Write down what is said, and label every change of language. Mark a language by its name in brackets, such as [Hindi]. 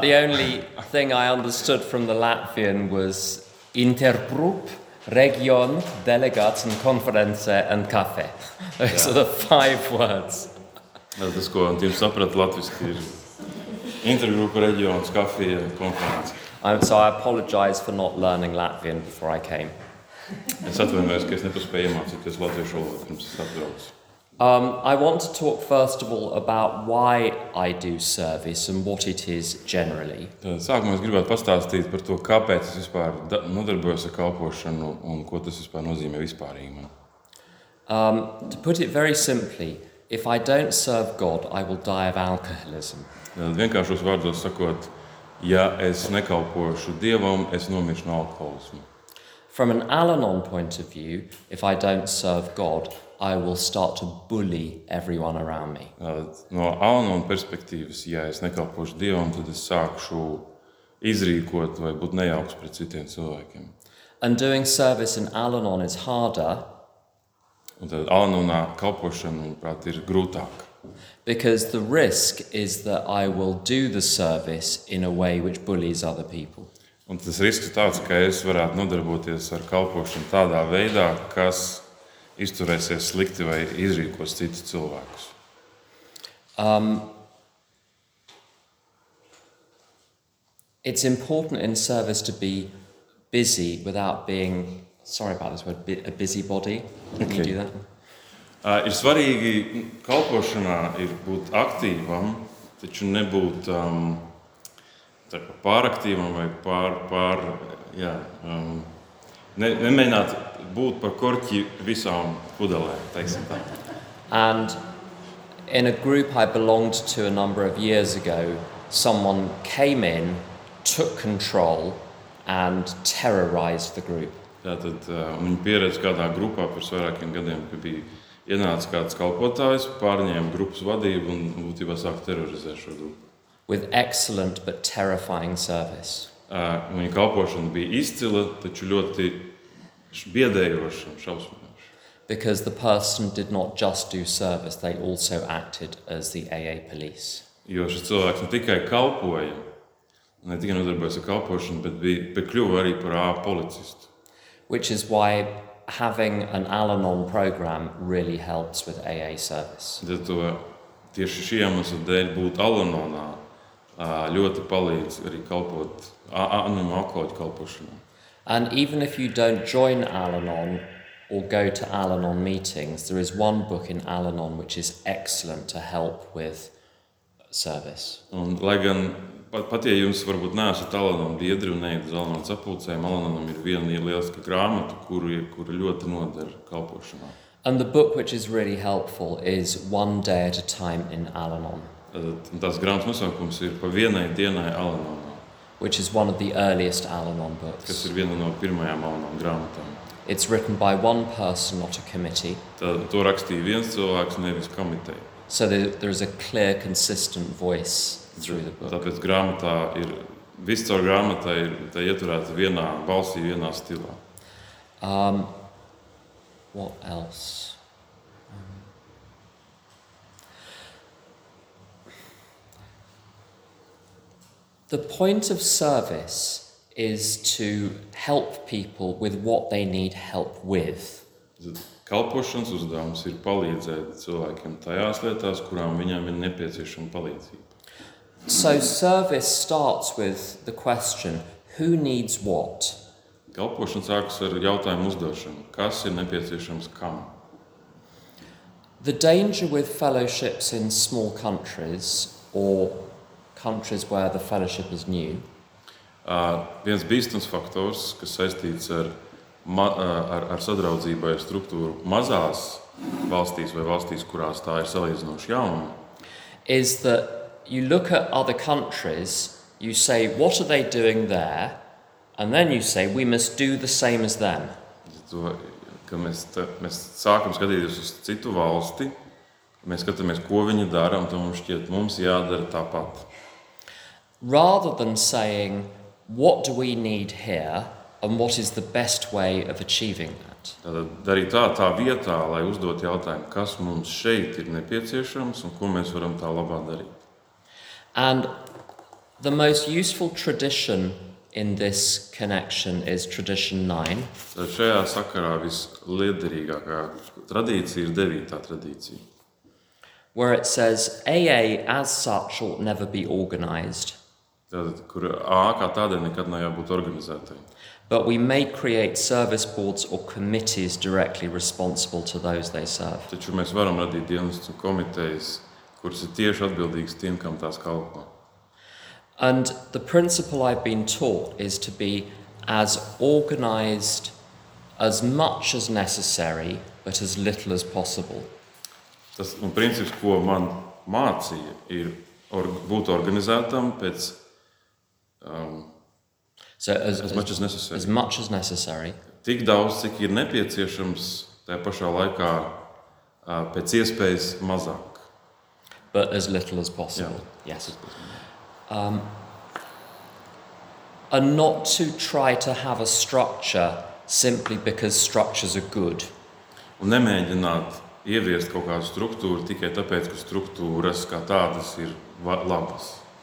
[English] The only thing I understood from the Latvian was intergroup, region, delegaten, konference, and kafe. Those are the five words. [Latvian] Es disko, un Tim saprat latviski ir intergroup, regions, kafe, and konference. [English] So I apologize for not learning Latvian before I came. [Latvian] Es atvainojos, ka es nepaspēju mācīties latviešu valodu pirms atbraucu. [English] I want to talk first of all about why I do service and what it is generally. [Latvian] Sākumā es gribētu pastāstīt par to, kāpēc es vispār nodarbojos ar kalpošanu un ko tas vispār nozīmē vispārīgi man. [English] To put it very simply, if I don't serve God, I will die of alcoholism. [Latvian] Vienkāršos vārdos sakot, ja es nekalpošu Dievam, es nomiršu no alkoholismu. [English] From an Al-Anon point of view, if I don't serve God, I will start to bully everyone around me. [Latvian] No Al-Anon perspektīvas, ja es nekalpošu Dievam, tad es sākšu izrīkot vai būt nejauks pret citiem cilvēkiem. [English] And doing service in Al-Anon is harder. [Latvian] Un tad Al-Anonā kalpošana, manuprāt, ir grūtāk. [English] Because the risk is that I will do the service in a way which bullies other people. [Latvian] Un tas risks tāds, ka es varētu nodarboties ar kalpošanu tādā veidā, kas izturēsies slikti vai izrīkos citus cilvēkus. [English] It's important in service to be busy without being, sorry about this word, a busybody. Can you do that? [Latvian] Ir svarīgi kalpošanā ir būt aktīvam, taču nebūt pāraktīvam vai nemēģināt būt par korķi visām pudelēm, teiksim tā. [English] And in a group I belonged to a number of years ago, someone came in, took control and terrorized the group. [Latvian] Tātad viņa pieredze kādā grupā pirms vairākiem gadiem, kad bija ienācis kāds kalpotājs, pārņēma grupas vadību un būtībā sāka terorizēt šo grupu. [English] With excellent but terrifying service. [Latvian] Viņa kalpošana bija izcila, taču ļoti biedējoša un šausmīgoša. [English] Because the person did not just do service, they also acted as the AA police. [Latvian] Jo šis cilvēks ne tikai kalpoja, ne tikai nodarbojas ar kalpošanu, bet bija bekļuva arī par AA policistu. [English] Which is why having an Al-Anon program really helps with AA service. [Latvian] Tad to tieši šī iemesla dēļ būt Al-Anonā ļoti palīdz arī kalpot Al-Anon alkoholiķu kalpošanā. [English] And even if you don't join Al-Anon or go to Al-Anon meetings, there is one book in Al-Anon which is excellent to help with service. [Latvian] Un lai gan pat ja jums varbūt neesat Al-Anon biedri un neiet uz Al-Anon sapulcēm, Al-Anonam ir viena lieliska grāmata, kura ļoti noder kalpošanā. [English] And the book which is really helpful is One Day at a Time in Al-Anon. [Latvian] Tās grāmatas nosaukums ir Pa vienai dienai Al-Anon. [English] Which is one of the earliest Al-Anon books. [Latvian] Kas ir viena no pirmajām Al-Anon grāmatām. [English] It's written by one person, not a committee. [Latvian] To rakstīja viens cilvēks, nevis komiteja. [English] So there is a clear, consistent voice through the book. [Latvian] Tāpēc grāmatā ir, viscaur grāmatā ir, tā ieturēta vienā balsī, vienā stilā. [English] What else? The point of service is to help people with what they need help with. [Latvian] Kalpošanas uzdevums ir palīdzēt cilvēkiem tajās lietās, kurām viņam ir nepieciešama palīdzība. [English] So service starts with the question, who needs what? [Latvian] Kalpošana sākas ar jautājumu uzdošanu, kas ir nepieciešams kam? [English] The danger with fellowships in small countries or countries where the fellowship is new. [Latvian] Viens bīstams faktors, kas saistīts ar sadraudzībai ar struktūru mazās valstīs vai valstīs, kurās tā ir salīdzinoši jauna. [English] Is that you look at other countries, you say, what are they doing there? And then you say, we must do the same as them. [Latvian] Kad mēs sākam skatīties uz citu valsti, mēs skatāmies, ko viņi dara, un to mums šķiet, mums jādara tāpat. [English] Rather than saying, what do we need here and what is the best way of achieving that? [Latvian] Tad arī tā vietā, lai uzdot jautājumu, kas mums šeit ir nepieciešams un ko mēs varam tā labā darīt. [English] And the most useful tradition in this connection is tradition 9. [Latvian] Tad šajā sakarā vislietderīgākā tradīcija ir 9. Tradīcija. [English] Where it says AA as such ought never be organized. [Latvian] Tad, kur A kā tādēļ nekad nav jābūt organizētai. [English] But we may create service boards or committees directly responsible to those they serve. [Latvian] Taču mēs varam radīt dienestu komitejas, kuras ir tieši atbildīgas tiem, kam tās kalpo. [English] And the principle I've been taught is to be as organized as much as necessary, but as little as possible. [Latvian] Tas un princips, ko man mācīja, ir būt organizētam pēc [English] as much as necessary. [Latvian] Tik daudz, cik ir nepieciešams, tajā pašā laikā pēc iespējas mazāk. [English] But as little as possible. [Latvian] Jā. [English] Yes. And not to try to have a structure simply because structures are good. [Latvian] Un nemēģināt ieviest kaut kādu struktūru tikai tāpēc, ka struktūras kā tādas ir labas.